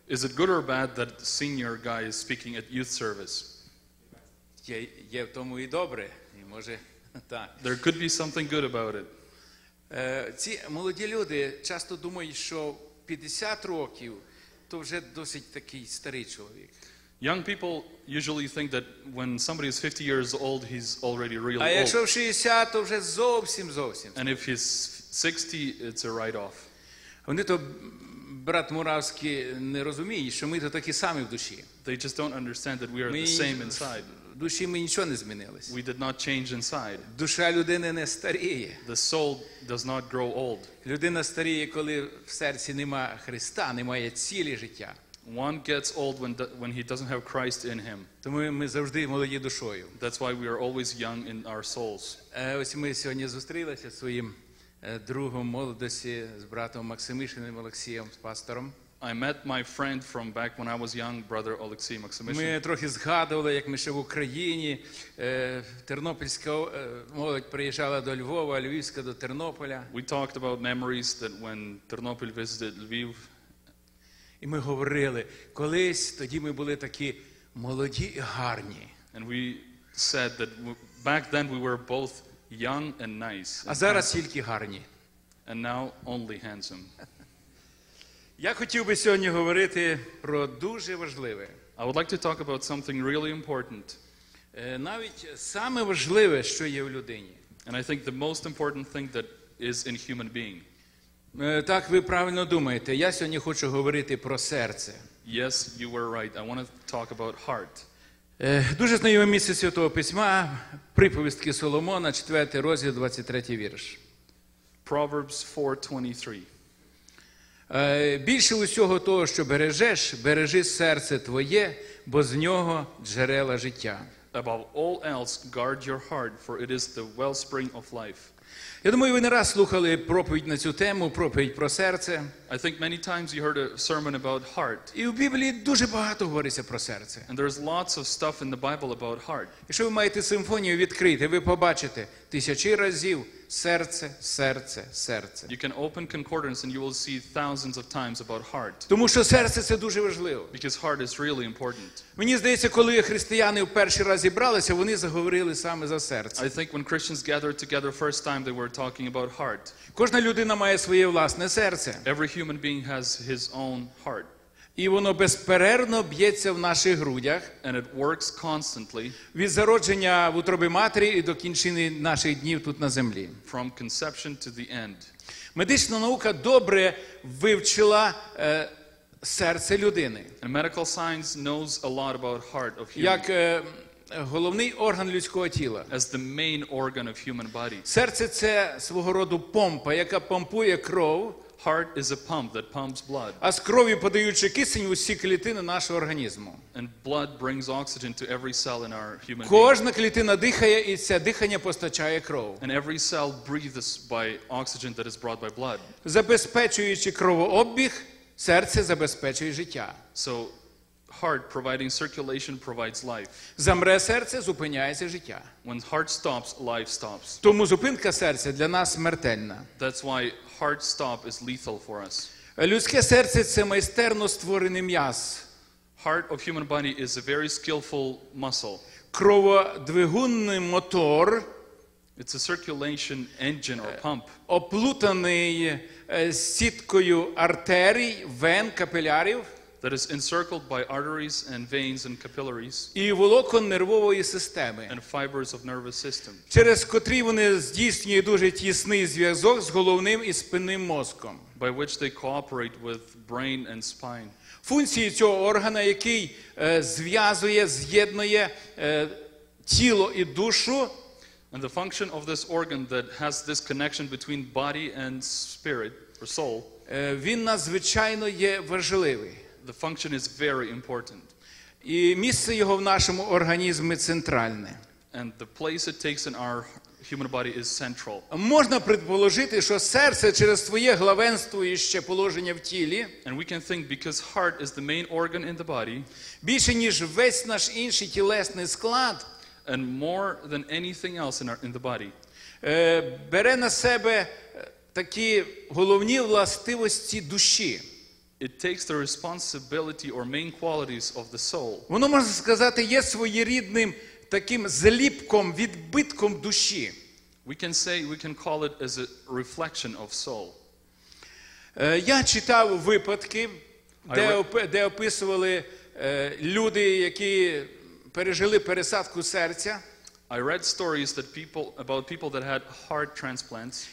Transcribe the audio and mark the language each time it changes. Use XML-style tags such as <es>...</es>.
<en>Is it good or bad that senior guy is speaking at youth service?</en> <uk>Є в тому і добре, і може так.</uk> <en>There could be something good about it.</en> <uk>Ці молоді люди часто думають, що 50 років то вже досить такий старий чоловік.</uk> <en>Young people usually think that when somebody is 50 years old, he's already really old.</en> <uk>А якщо 60, то вже зовсім.</uk> <en>And if he's 60, it's a write-off.</en> <uk>Вони то, брат Муравський, не розуміють, що ми то такі самі в душі.</uk> <en>They just don't understand that we are the same inside.</en> <uk>В душі ми нічого не змінилися.</uk> <en>We did not change inside.</en> <uk>Душа людини не старіє.</uk> <en>The soul does not grow old.</en> <uk>Людина старіє, коли в серці нема Христа, немає цілі життя.</uk> <en>One gets old when he doesn't have Christ in him.</en> <uk>Тому ми завжди молоді душою.</uk> <en>That's why we are always young in our souls.</en> <uk>Ось ми сьогодні зустрілися з своїм другом молодості, з братом Максимишиним Олексієм, з пастором.</uk> <en>I met my friend from back when I was young, brother Олексій Максимишин.</en> <uk>Ми трохи згадували, як ми ще в Україні, тернопільська молодь приїжджала до Львова, львівська до Тернополя.</uk> <en>We talked about memories that when Тернопіль visited Lviv.</en> <uk>І ми говорили, колись тоді ми були такі молоді і гарні.</uk> <en>And we said that back then we were both young and nice.</en> <uk>А зараз тільки гарні.</uk> <en>And now only handsome.</en> <uk>Я хотів би сьогодні говорити про дуже важливе.</uk> <en>I would like to talk about something really important.</en> <uk>Навіть саме важливе, що є в людині.</uk> <en>And I think the most important thing that is in human being.</en> <uk>Так, ви правильно думаєте. Я сьогодні хочу говорити про серце.</uk> <en>Yes, you were right. I want to talk about heart.</en> <uk>Дуже знайоме місце Святого Письма, приповістки Соломона, 4 розділ, 23 вірш.</uk> <en>Proverbs 4:23.</en> <uk>Більше усього того, що бережеш, бережи серце твоє, бо з нього джерела життя.</uk> <en>Above all else, guard your heart, for it is the wellspring of life.</en> <uk>Я думаю, ви не раз слухали проповідь на цю тему, проповідь про серце.</uk> <en>I think many times you heard a sermon about heart.</en> <uk>І в Біблії дуже багато говориться про серце.</uk> <en>And there's lots of stuff in the Bible about heart.</en> <uk>Якщо ви маєте симфонію відкрити, ви побачите тисячі разів серце, серце, серце.</uk> <en>You can open concordance and you will see thousands of times about heart.</en> <uk>Тому що серце це дуже важливо.</uk> <en>Because heart is really important.</en> <uk>Мені здається, коли християни в перший раз зібралися, вони заговорили саме за серце.</uk> <en>I think when Christians gathered together first time they were talking about heart.</en> <uk>Кожна людина має своє власне серце.</uk> <en>Every human being has his own heart.</en> <uk>І воно безперервно б'ється в наших грудях.</uk> <en>And it works constantly.</en> <uk>Від зародження в утробі матері і до кінчини наших днів тут на землі.</uk> <en>From conception to the end.</en> <uk>Медична наука добре вивчила серце людини.</uk> <en>And medical science knows a lot about heart of human.</en> <uk>Як головний орган людського тіла.</uk> <en>As the main organ of human body.</en> <uk>Серце це свого роду помпа, яка помпує кров.</uk> <en>Heart is a pump that pumps blood.</en> <uk>А з крові подаючи кисень у всі клітини нашого організму.</uk> <en>And blood brings oxygen to every cell in our human body.</en> <uk>Кожна клітина дихає, і це дихання постачає кров.</uk> <en>And every cell breathes by oxygen that is brought by blood.</en> <uk>Забезпечуючи кровообіг, серце забезпечує життя.</uk> <en>So heart providing circulation provides life.</en> <uk>Замре серце, зупиняється життя.</uk> <en>When heart stops, life stops.</en> <uk>Тому зупинка серця для нас смертельна.</uk> <en>That's why heart stop is lethal for us.</en> <uk>Людське серце це майстерно створений м'яз.</uk> <en>Heart of human body is a very skillful muscle.</en> <uk>Кроводвигунний мотор.</uk> <en>It's a circulation engine or pump.</en> <uk>Оплутаний сіткою артерій, вен, капілярів.</uk> <en>That is encircled by arteries and veins and capillaries.</en> <uk>І волокон нервової системи.</uk> <en>And fibers of nervous system.</en> <uk>Через котрі вони здійснюють дуже тісний зв'язок з головним і спинним мозком.</uk> <en>By which they cooperate with brain and spine.</en> <uk>Функції цього органа, який зв'язує, з'єднує тіло і душу.</uk> <en>And the function of this organ that has this connection between body and spirit. or soul,</en> <uk>він надзвичайно є важливий.</uk> <en>The function is very important.</en> <uk>І місце його в нашому організмі центральне.</uk> <en>And the place it takes in our human body is central.</en> <uk>Можна предположити, що серце через своє главенствующе положення в тілі,</uk> <en>and we can think because heart is the main organ in the body,</en> <uk>більше ніж весь наш інший тілесний склад,</uk> <en>and more than anything else in the body,</en> <uk>бере на себе такі головні властивості душі.</uk> <en>It takes the responsibility or main qualities of the soul.</en> <uk>Воно, можна сказати, є своєрідним таким заліпком, відбитком душі.</uk> <en>We can say, we can call it as a reflection of soul.</en> <uk>Я читав випадки, де описували люди, які пережили пересадку серця.</uk> <en>I read stories that people about people that had heart transplants.</en>